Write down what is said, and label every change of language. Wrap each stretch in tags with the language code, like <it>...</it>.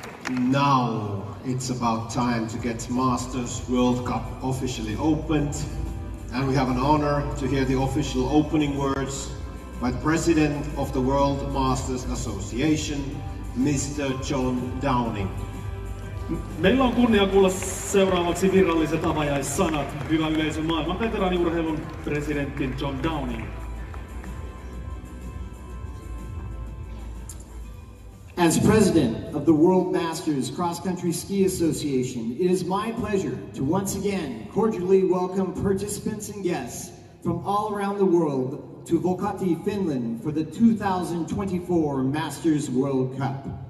<en>Now it's about time to get Masters World Cup officially opened. And we have an honor to hear the official opening words by the president of the World Masters Association, Mr. John Downing.</en> <fi>Meillä on kunnia kuulla seuraavaksi viralliset avajaissanat. Hyvä yleisö, maailman veteraaniurheilun presidentti John Downing.</fi> <en>As president of the World Masters Cross Country Ski Association, it is my pleasure to once again cordially welcome participants and guests from all around the world to Volkati, Finland for the 2024 Masters World Cup.</en>